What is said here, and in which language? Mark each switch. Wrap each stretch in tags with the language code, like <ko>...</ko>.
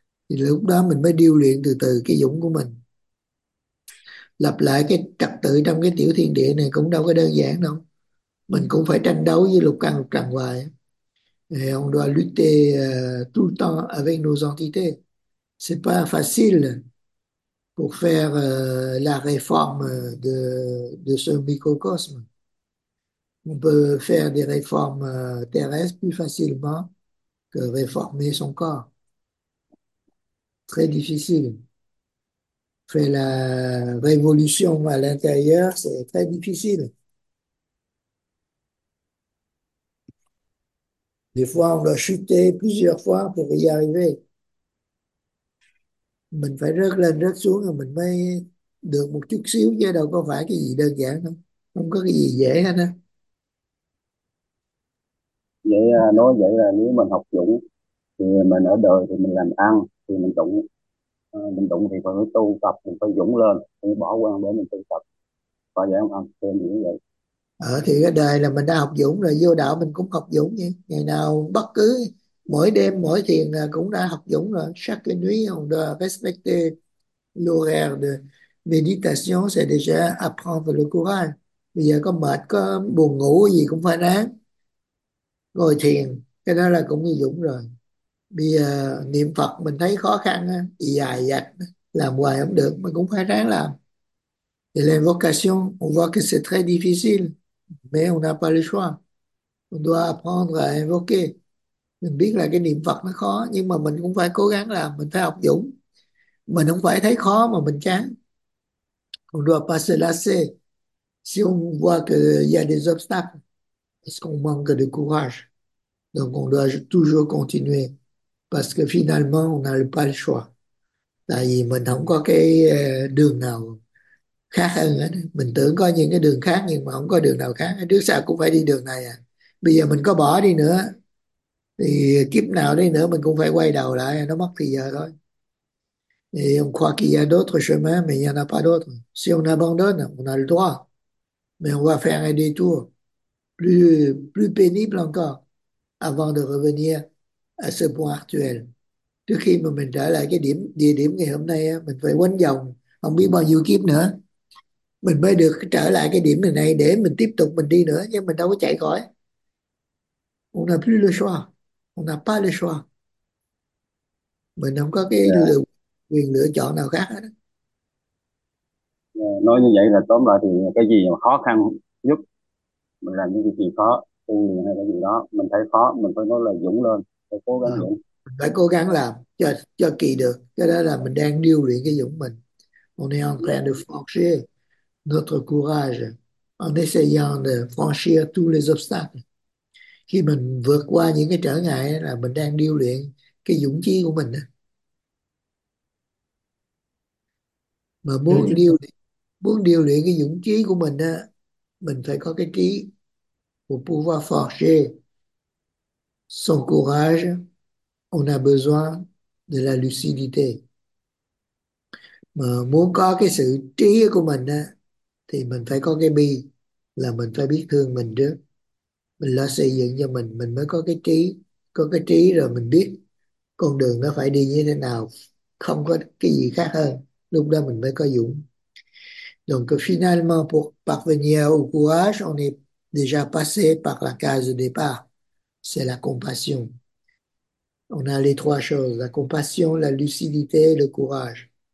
<vi>Et lúc đó, mình mới điêu luyện từ từ cái dũng của mình. Lập lại cái trật tự trong cái tiểu thiên địa này cũng đâu có đơn giản đâu. Mình cũng phải tranh đấu với lục căn lục trần hoài.</vi> <fr>Et on doit lutter tout le temps avec nos entités. C'est pas facile pour faire la réforme de ce microcosme. On peut faire des réformes terrestres plus facilement que réformer son corps. Très difficile. Faire la révolution à l'intérieur, c'est très difficile. Des fois, on va chuter plusieurs fois pour y arriver.</fr> <vi>Mình phải rớt lên, rớt xuống rồi mình mới được một chút xíu chứ đâu có phải cái gì đơn giản đâu. Không có cái gì dễ hết á. Vậy nói vậy là nếu mình học dũng thì mình ở đời thì mình làm ăn thì mình đụng thì phải tu tập, mình phải dũng lên, mình bỏ quan để mình tu tập và dạy ông ăn thêm những vậy. Thì cái đời là mình đã học dũng rồi, vô đạo mình cũng học dũng vậy. Ngày nào bất cứ mỗi đêm mỗi thiền là cũng đã học dũng rồi.</vi> <fr>Chaque nuit on doit respecter l'horaire de méditation, c'est déjà apprendre le courage.</fr> <vi>Bây giờ có mệt có buồn ngủ gì cũng phải ráng ngồi thiền, cái đó là cũng như dũng rồi. Bây giờ niệm Phật mình thấy khó khăn dài dạch làm hoài không được, mình cũng phải ráng làm.</vi> <fr>Et l'invocation, on voit que c'est très difficile, mais on n'a pas le choix. On doit apprendre à invoquer.</fr> <vi>Mình biết là cái niệm Phật nó khó, nhưng mà mình cũng phải cố gắng làm, mình phải học dũng. Mình không phải thấy khó mà mình chán.</vi> <fr>On doit pas se lasser. Si on voit qu'il y a des obstacles, est-ce qu'on manque de courage? Donc on doit toujours continuer, parce que finalement, on n'a pas le choix.</fr> <vi>Tại vì mình không có cái đường nào khác hơn á, mình tưởng có những cái đường khác nhưng mà không có đường nào khác, trước sau cũng phải đi đường này à. Bây giờ mình có bỏ đi nữa thì kiếp nào đi nữa mình cũng phải quay đầu lại, nó mất thì giờ thôi.</vi> <fr>Et on croit qu'il y a d'autres chemins, mais il n'y en a pas d'autres. Si on abandonne, on a le droit, mais on va faire un détour plus pénible encore avant de revenir à ce point actuel.</fr> <vi>Trước khi mà mình trở lại cái điểm địa điểm ngày hôm nay á, mình phải quấn vòng không biết bao nhiêu kiếp nữa mình mới được trở lại cái điểm này để mình tiếp tục mình đi nữa, chứ mình đâu có chạy khỏi.</vi> <fr>On n'a plus le choix.</fr> <vi>On n'a pas le choix. Mình không có cái quyền lựa chọn nào khác hết. Nói như vậy là tóm lại thì cái gì mà khó khăn nhất mình làm những gì khó tu hay cái gì đó mình thấy khó mình phải nói là dũng lên, phải cố gắng dũng. Phải cố gắng làm cho kỳ được. Cái đó là mình đang điêu luyện cái dũng mình.</vi> <fr>On est en train de forger notre courage en essayant de franchir tous les obstacles.</fr> <vi>Khi mình vượt qua những cái trở ngại là mình đang điêu luyện cái dũng chí của mình. Mà Thưa chúng tôi. muốn điêu luyện cái dũng chí của mình mình phải có cái trí</vi> <fr>pour pouvoir forger son courage, on a besoin de la lucidité.</fr> <vi>Mà muốn có cái sự trí của mình á, thì mình phải có cái bi, là mình phải biết thương mình trước. Mình lo xây dựng cho mình mới có cái trí. Có cái trí rồi mình biết con đường nó phải đi như thế nào, không có cái gì khác hơn. Lúc đó mình mới có dũng.</vi> <fr>Donc finalement, pour parvenir au courage, on est déjà passé par la case de départ. C'est la compassion. On a les trois choses, la compassion, la lucidité et le courage.</fr>